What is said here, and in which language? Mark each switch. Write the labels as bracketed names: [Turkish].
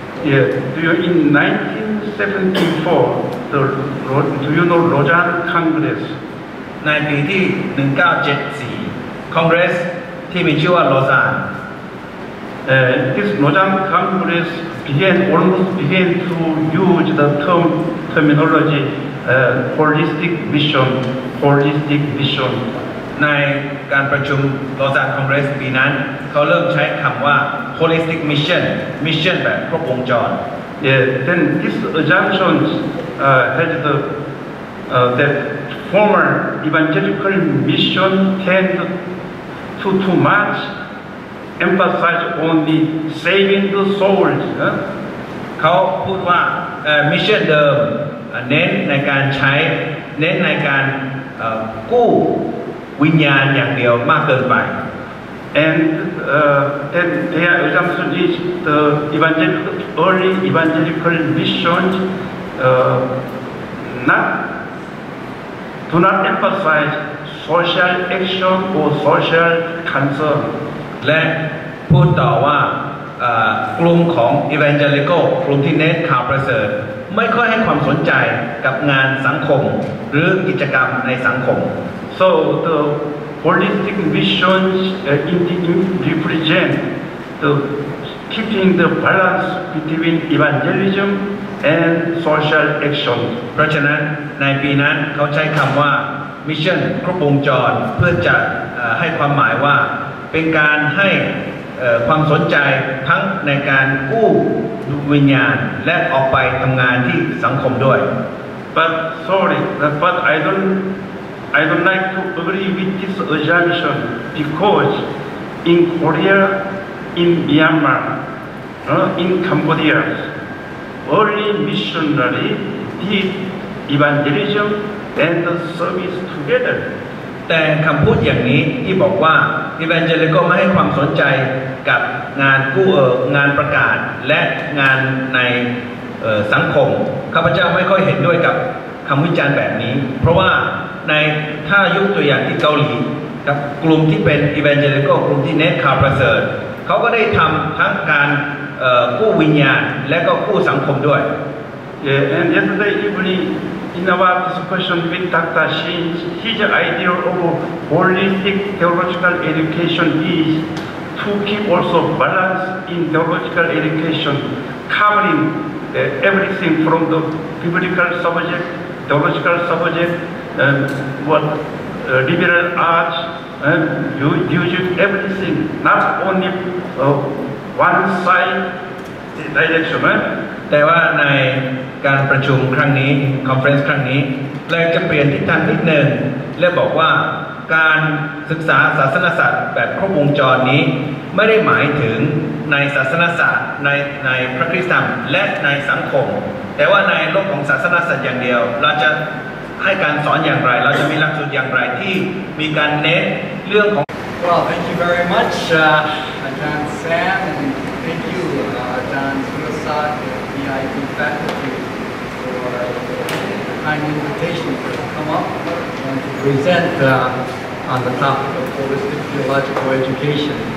[English] Yeah, do you in 1974 do you know Lausanne Congress? [Thai] ในปีที่1974 Congressที่มีชื่อว่าโลซาน [English] This Nojang Congress began almost began to use the term terminology holistic vision, holistic vision. [Thai] ในการประชุมโลจังคอนเกรสปีนั้นเขาเริ่มใช้คำว่า [English] holistic mission mission [Thai] แบบครบวงจร [English] Yeah, then this assumption had the that former evangelical mission tend to too much emphasize on the saving the souls [Thai] เขาพูดว่า mission เดิมเน้นในการใช้เน้นในการกู้วิญญาณอย่างเดียวมากเกินไป [English] and their assumption is the evangelical early evangelical missions do not emphasize social action or social concern [Thai] และพูดต่อว่ากลุ่มของ evangelical กลุ่มที่เน้นข่าวประเสริฐไม่ค่อยให้ความสนใจกับงานสังคมหรือกิจกรรมในสังคม [English] So the holistic mission represents the keeping the balance between evangelism and social action. [Thai] เพราะฉะนั้นในปีนั้นเขาใช้คำว่า mission ครบวงจรเพื่อจะให้ความหมายว่าเป็นการให้ความสนใจทั้งในการกู้ดวงวิญญาณและออกไปทำงานที่สังคมด้วย [English] But sorry, but I don't like to agree with this assumption because in Korea, in Myanmar, in Cambodia, early missionary did evangelism and service together. [Thai] แต่คำพูดอย่างนี้ที่บอกว่า evangelical ไม่ให้ความสนใจกับงานกู้งานประกาศและงานในสังคมข้าพเจ้าไม่ค่อยเห็นด้วยกับคำวิจารณ์แบบนี้เพราะว่าในถ้ายกตัวอย่างที่เกาหลีกับกลุ่มที่เป็นอีแวนเจลิกอลกลุ่มที่เน้นข่าวประเสริฐเขาก็ได้ทำทั้งการกู้วิญญาณและก็กู้สังคมด้วย [English] Yeah, and yesterday evening in our discussion with Dr. Shin, his idea of holistic theological education is to keep also balance in theological education, covering everything from the biblical subject, theological subject. liberal arts and using everything, not only one side direction. Right? [Thai] แต่ว่าในการประชุมครั้งนี้ conference ครั้งนี้แรกจะเปลี่ยนทิศทางนิดหนึ่งและบอกว่าการศึกษาศาสนศาสตร์แบบครบวงจรนี้ไม่ได้หมายถึงในศาสนศาสตร์ในพระคริสต์ธรรมและในสังคมแต่ว่าในโลกของศาสนศาสตร์อย่างเดียวเราจะให้การสอนอย่างไรเราจะมีหลักสูตรอย่างไรที่มีการเน้นเรื่องของ [English] Well, thank you very much, Ajahn Sam, and thank you, Ajahn Sunasat, the VIP faculty, for the kind invitation to come up and to present on the topic of holistic theological education.